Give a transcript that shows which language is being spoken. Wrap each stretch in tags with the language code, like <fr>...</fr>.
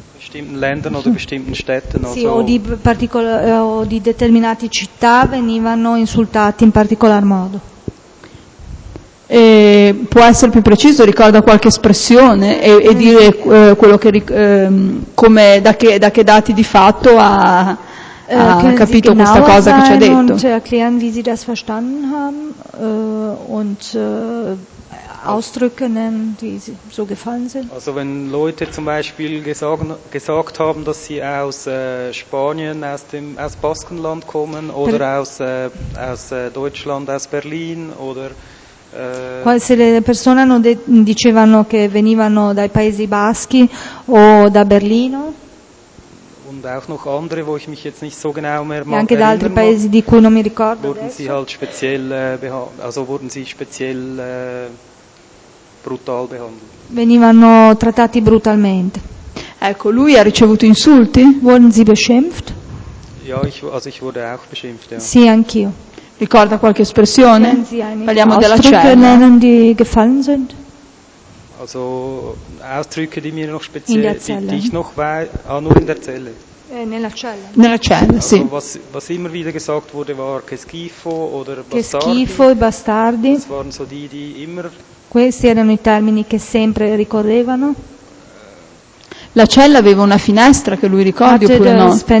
<de>Bestimmten Ländern oder bestimmten Städten sì, also.</de> <it>O di determinate città venivano insultati in particolar modo. E può essere più preciso, ricorda qualche espressione e dire quello che come da che dati di fatto ha capito questa cosa che ci ha detto.</it> <de>Und erklären, wie sie das verstanden haben und Ausdrücke nennen, die so gefallen sind? Also wenn Leute zum Beispiel gesagt haben, dass sie aus Spanien, aus Baskenland kommen oder aus Deutschland, aus Berlin oder...</de> <it>Se le persone dicevano che venivano dai Paesi Baschi o da Berlino.</it> <de>Und auch noch andere, wo ich mich jetzt nicht so genau mehr erinnere.</de> <it>Anche da altri paesi di cui non mi ricordo.</it> <de>Wurden sie halt speziell brutal behandelt.</de> <it>Venivano trattati brutalmente. Ecco, lui ha ricevuto insulti?</it> <de>Wurden sie beschimpft? Ja, ich wurde auch beschimpft, ja.</de> <it>Sì, anch'io. Ricorda qualche espressione? Parliamo della cella.</it> <de>Nennen, die gefallen sind? Also Ausdrücke, die mir noch speziell, nur in der Zelle.</de> <it>Nella cella, also, sì.</it> <de>Was immer wieder gesagt wurde, war</de> <it>che schifo</it> <de>oder</de> <it>che bastardi. Che schifo e bastardi.</it> <de>Das waren so die immer.</de> <it>Questi erano i termini che sempre ricorrevano. La cella aveva una finestra che lui ricordi oppure no?</it>